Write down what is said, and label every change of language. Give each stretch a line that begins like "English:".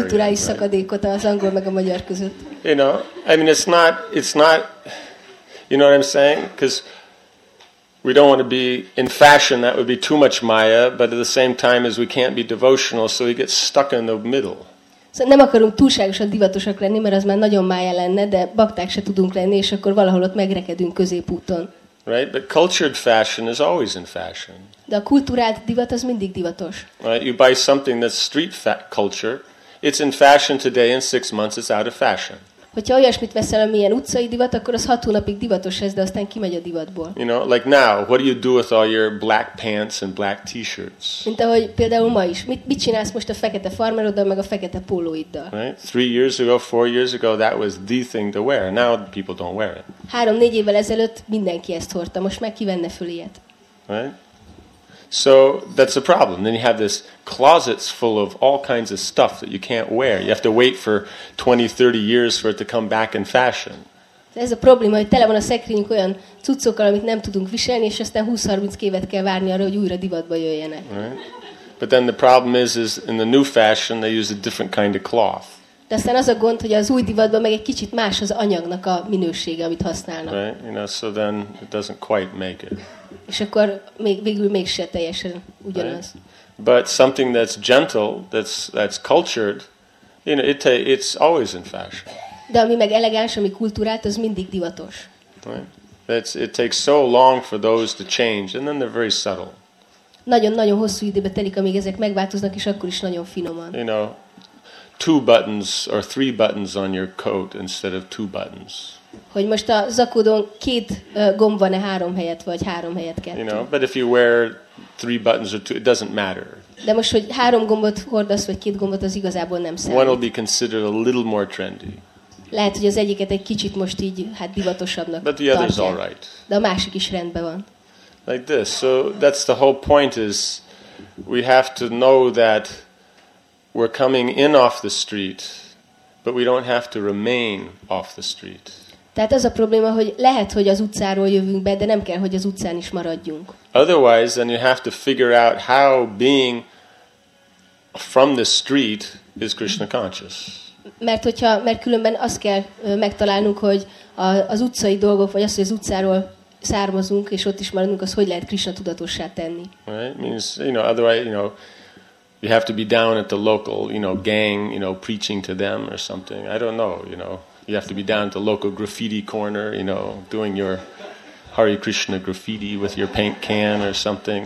Hungarian: Kulturális szakadékot az angol meg a magyar között.
English: You know, I mean, it's not. You know what I'm saying? Because we don't want to be in fashion. That would be too much Maya. But at the same time, as we can't be devotional, so we get stuck in the middle.
Hungarian: Szóval nem akarunk túlságosan divatosak lenni, mert az már nagyon Maya lenne, de bakták se tudunk lenni, és akkor valahol ott megrekedünk középúton.
English: Right, but cultured fashion is always in fashion.
Hungarian: De a kulturált divat az mindig divatos.
English: Right, you buy something that's street culture, it's in fashion today, in 6 months it's out of fashion.
Hungarian: Hogyha olyasmit veszel, ami ilyen utcai divat, akkor az 6 hónapig divatos lesz, de aztán kimegy a divatból.
English: You know, like now, what do you do with all your black pants and black t-shirts?
Hungarian: Mint ahogy például ma is. Mit csinálsz most a fekete farmeroddal, meg a fekete pólóiddal?
English: Right? 3 years ago, 4 years ago, that was the thing to wear. Now people don't wear it.
Hungarian: 3-4 évvel ezelőtt mindenki ezt hordta. Most meg ki venne föl ilyet?
English: Right? So that's the problem. Then you have this closets full of all kinds of stuff that you can't wear. You have to wait for 20-30 years for it to come back in fashion.
Hungarian: Ez a probléma, hogy tele van a szekrényünk olyan cuccokkal, amit nem tudunk viselni, és aztán 20-30 évet kell várni arra, hogy újra divatba jöjjenek.
English: But then the problem is in the new fashion they use a different kind of cloth.
Hungarian: De aztán az a gond, hogy az új divatban meg egy kicsit más az anyagnak a minősége, amit használnak.
English: Right? You know, so then it doesn't quite make it.
Hungarian: És akkor végül még se teljesen ugyanaz.
English: Right? But something that's gentle, that's cultured, you know, it's always in fashion.
Hungarian: De ami meg elegáns, ami kultúrát, az mindig divatos.
English: Right? It takes so long for those to change, and then they're very subtle.
Hungarian: Nagyon-nagyon hosszú időbe telik, amíg ezek megváltoznak, és akkor is nagyon finoman.
English: You know, 2 buttons or 3 buttons on your coat instead of 2 buttons.
Hungarian: Hogy most a zakódon 2 gomb van-e 3 helyet, vagy 3 helyet 2.
English: You know, but if you wear 3 buttons or 2, it doesn't matter.
Hungarian: De most, hogy 3 gombot hordasz, vagy 2 gombot, az igazából nem számít.
English: One will be considered a little more trendy.
Hungarian: Lehet, hogy az egyiket egy kicsit most így, hát divatosabbnak tartják.
English: But the other's all right.
Hungarian: De a másik is rendben van.
English: Like this. So that's the whole point is, we have to know that we're coming in off the street, but we don't have to remain off the street.
Hungarian: Tehát az a probléma, hogy lehet, hogy az utcáról jövünk be, de nem kell, hogy az utcán is maradjunk.
English: Otherwise, then you have to figure out how being from the street is Krishna conscious.
Hungarian: Mert hogyha, mert különben azt kell megtalálnunk, hogy az utcai dolgok, vagy az, hogy az utcáról származunk, és ott is maradunk, az hogy lehet Krisna tudatossá tenni.
English: Right? Means, you know, otherwise, you know, you have to be down at the local, you know, gang, you know, preaching to them or something. I don't know, you know. You have to be down at the local graffiti corner, you know, doing your Hare Krishna graffiti with your paint can or something.